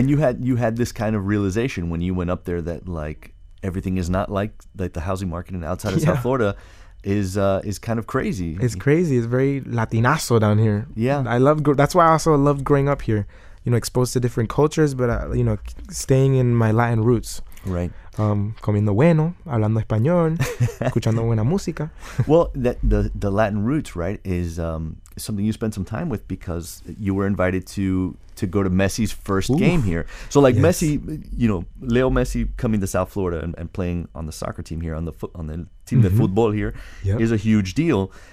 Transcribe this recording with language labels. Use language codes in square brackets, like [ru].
[en] And you had this kind of realization when you went up there that like everything is not like the housing market in outside of South Florida is kind of crazy. It's crazy. It's very Latinazo down here. Yeah. That's why I also loved growing up here, you know, exposed to different cultures, but, you know, staying in my Latin roots. Right. [es] Comiendo bueno, hablando español, escuchando buena música. [en] Well, the Latin roots, right, is something you spent some time with because you were invited to go to Messi's first Ooh. Game here. So like yes. Messi, you know, Leo Messi coming to South Florida and playing on the soccer team here, on the team mm-hmm. de football here, yep. is a huge deal.